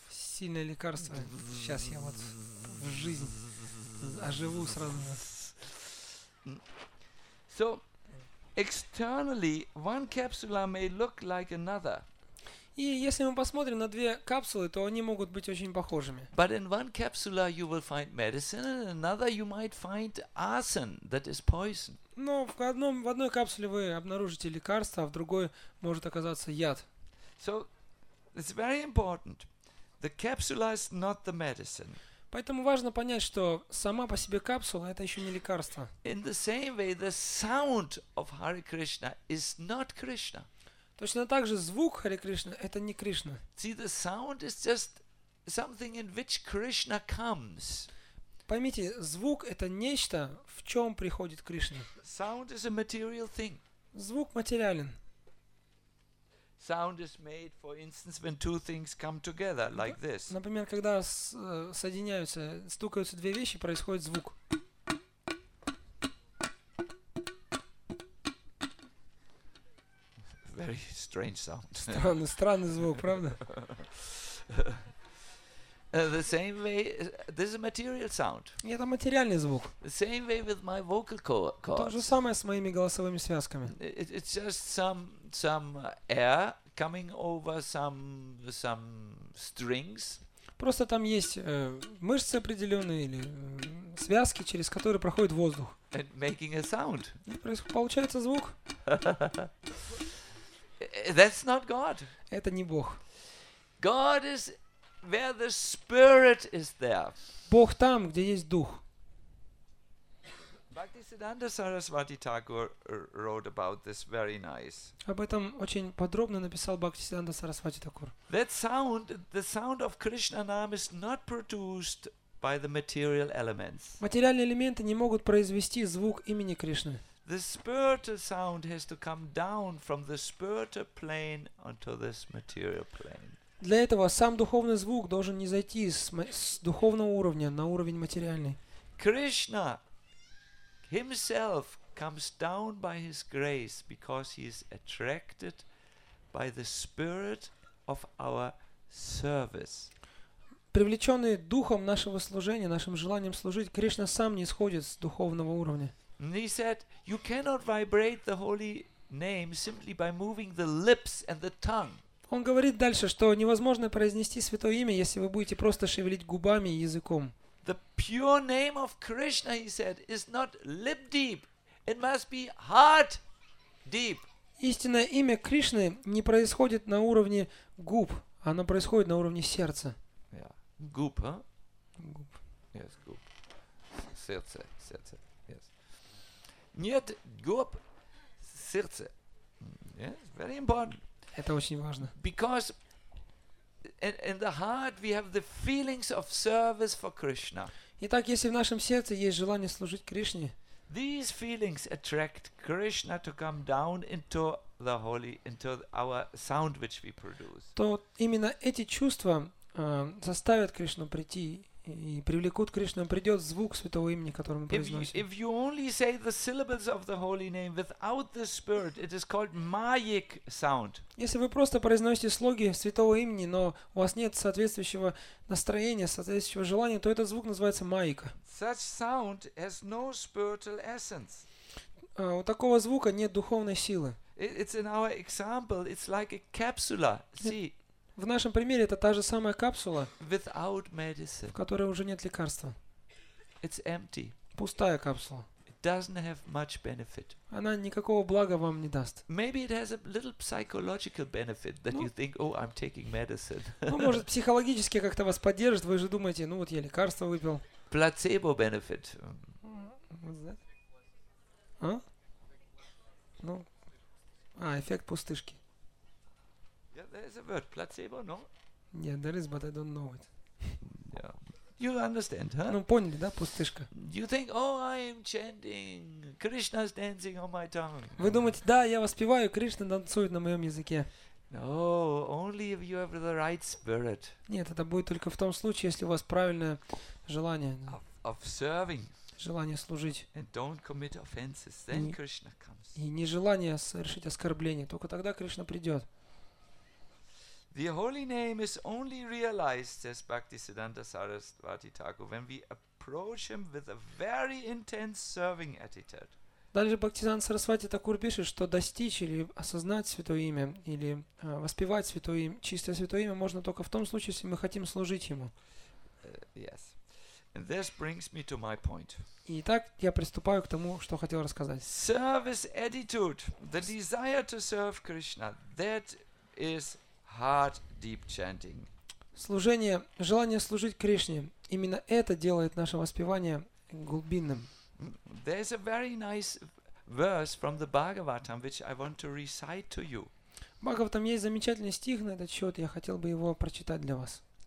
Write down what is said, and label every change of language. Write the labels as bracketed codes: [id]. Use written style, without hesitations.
[ru] Сильное лекарство. Сейчас я вот в жизнь оживу сразу. [en] So, externally, one capsule may look like another. [ru] И если мы посмотрим на две капсулы, то они могут быть очень похожими. [en] But in one capsule you will find medicine, and in another you might find arsen, that is poison. [ru] Но в одной капсуле вы обнаружите лекарство, а в другой может оказаться яд. [en] So it's very important. The capsule is not the medicine. [ru] Поэтому важно понять, что сама по себе капсула — это еще не лекарство. [en] In the same way, the sound of Hare Krishna is not Krishna. [ru] Точно так же звук Харе Кришны — это не Кришна. [en] See, the sound is just something in which Krishna comes. [ru] Поймите, звук — это нечто, в чем приходит Кришна. [en] Sound is a material thing. [ru] Звук материален. [en] Sound is made, for instance, when two things come together, like this. [ru] Например, когда соединяются, стукаются две вещи, происходит звук. [en] Very strange sound. [ru] Странный звук, правда? [en] The same way, this is a material sound. [ru] Это материальный звук. [en] The same way with my vocal cords. [ru] То же самое с моими голосовыми связками. [en] It's just some air coming over some strings. [ru] Просто там есть мышцы определенные или связки, через которые проходит воздух. [en] And making a sound. [ru] Получается звук. [en] That's not God. [ru] Это не Бог. [en] God is where the spirit is there. [ru] Бог там, где есть дух. [en] Bhaktisiddhanta Saraswati Thakur wrote about this very nice. [ru] Об этом очень подробно написал Бхактисиддханта Сарасвати Такур. [en] That sound, the sound of Krishna Nam, is not produced by the material elements. [ru] Материальные элементы не могут произвести звук имени Кришны. [en] The spiritual sound has to come down from the spiritual plane onto this material plane. [ru] Для этого сам духовный звук должен не зайти с духовного уровня на уровень материальный. [en] Krishna himself comes down by his grace because he is attracted by the spirit of our service. [ru] Привлеченный духом нашего служения, нашим желанием служить, Кришна сам не исходит с духовного уровня. [en] And he said, you cannot vibrate the holy name simply by moving the lips and the tongue. [ru] Он говорит дальше, что невозможно произнести святое имя, если вы будете просто шевелить губами и языком. [en] The pure name of Krishna, he said, is not lip deep. It must be heart deep. [ru] Истинное имя Кришны не происходит на уровне губ, оно происходит на уровне сердца. Yeah. Губ, а? Губ. Yes, губ. Сердце. Нет, губ, сердце. [en] Yes, very important. [ru] Это очень важно. [en] Because in the heart we have the feelings of service for Krishna. [ru] Итак, если в нашем сердце есть желание служить Кришне, [en] These feelings attract Krishna to come down into the holy, into our sound which we produce. [ru] То именно эти чувства заставят Кришну прийти и привлекут Кришну, придет звук святого имени, который мы произносим. [en] If you only say the syllables of the holy name without the spirit, it is called mayic sound. [ru] Если вы просто произносите слоги святого имени, но у вас нет соответствующего настроения, соответствующего желания, то этот звук называется майка. [en] Such sound has no spiritual essence. [ru] У такого звука нет духовной силы. [en] It's in our example, it's like a capsule. See. [ru] В нашем примере это та же самая капсула, [en] without medicine, [ru] в которой уже нет лекарства. [en] It's empty. [ru] Пустая капсула. [en] It doesn't have much benefit. [ru] Она никакого блага вам не даст. [en] Maybe it has a little psychological benefit that you think, oh, I'm taking medicine. [ru] Ну, может, психологически как-то вас поддержит, вы же думаете, ну вот я лекарство выпил. [en] Placebo benefit. [ru] А? Ну. А, эффект пустышки. [en] There is a word, placebo, no? Yeah, there is, but I don't know it. Yeah. You understand, huh? [ru] Ну, поняли, да, пустышка? [en] You think, oh, I am chanting, Krishna is dancing on my tongue. [ru] Вы думаете, да, я воспеваю, Кришна танцует на моем языке. [en] No, only if you have the right spirit. [ru] Нет, это будет только в том случае, если у вас правильное желание. [en] Of serving. [ru] Желание служить. [en] And don't commit offenses, then Krishna comes. [ru] И нежелание совершить оскорбление, только тогда Кришна придет. [en] The holy name is only realized, says Bhaktisiddhanta Sarasvati Thakur, when we approach him with a very intense serving attitude. [ru] Дальше Бхактисиддханта Сарасвати Такур пишет, что достичь или осознать святое имя, или воспевать святое имя, чистое святое имя можно только в том случае, если мы хотим служить ему. [en] Yes. And this brings me to my point. [ru] Итак, я приступаю к тому, что хотел рассказать. [en] Service attitude, the desire to serve Krishna, that is heart deep chanting. [ru] Служение, желание служить Кришне, именно это делает наше воспевание глубинным. [en] There's a very nice verse from the Bhagavatam which I want to recite to you. [ru] В Бхагаватам есть замечательный стих на этот счет, я хотел бы его прочитать для вас.